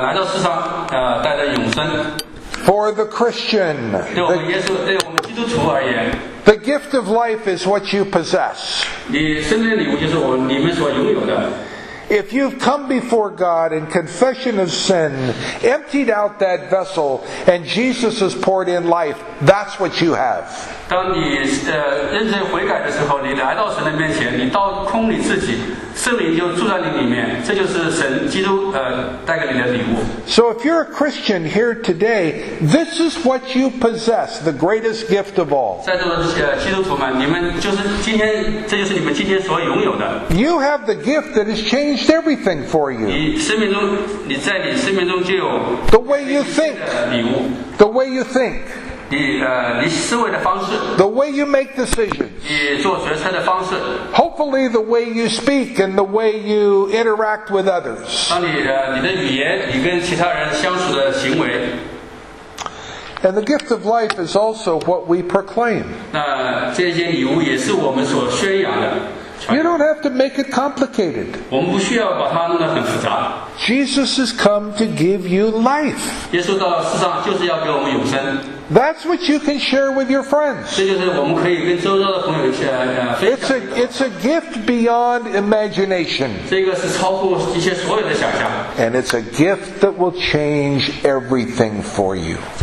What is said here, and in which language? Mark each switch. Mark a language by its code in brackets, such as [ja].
[zh] 他要给你的你，给你周遭的朋友，你的邻居，他来到世上，带来永生。 [en] For the Christian, the gift of life is what you possess. If you've come before God in confession of sin, emptied out that vessel, and Jesus has poured in life, that's what you have. [zh] 当你认真悔改的时候，你来到神的面前，你倒空你自己。圣灵就住在你里面，这就是神基督带给你的礼物。 [en] So if you're a Christian here today, this is what you possess, the greatest gift of all. [zh] 在座的基督徒们，你们就是今天，这就是你们今天所拥有的。 [en] You have the gift that has changed everything for you. [zh] 你生命中，你在你生命中就有 [en] The way you think. [zh] 礼物。 [en] The way you think. [zh] 你思维的方式 [en] the way you make decisions [zh] 你做决策的方式 [en] hopefully the way you speak and the way you interact with others [zh] 当你的语言你跟其他人相处的行为 [en] and the gift of life is also what we proclaim [zh] 那这些礼物也是我们所宣扬的 [en] you don't have to make it complicated [zh] 我们不需要把它弄得很复杂 [en] Jesus has come to give you life [zh] 耶稣到世上就是要给我们永生 [en] That's what you can share with your friends. It's a gift beyond imagination. And it's a gift that will change everything for you.